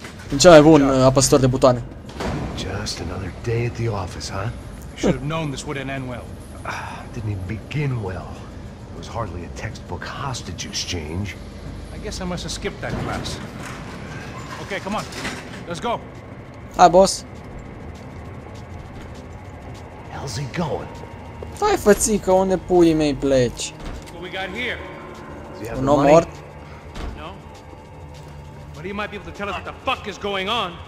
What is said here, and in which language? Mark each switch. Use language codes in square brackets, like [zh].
[ro] În cel mai bun apăsător de butoane. [en] Just another day at the office, huh? You should have known this wouldn't end well. Didn't even begin well. It was hardly a textbook hostage exchange. I guess I must have skipped that class. Okay, come on. Let's go. Hi, boss. How's he going? [ro] Stai, fățică, unde puii mei pleci? [en] What we got here? [ro] Un om mort? [en] No. But he might be able to tell us what the fuck is going on.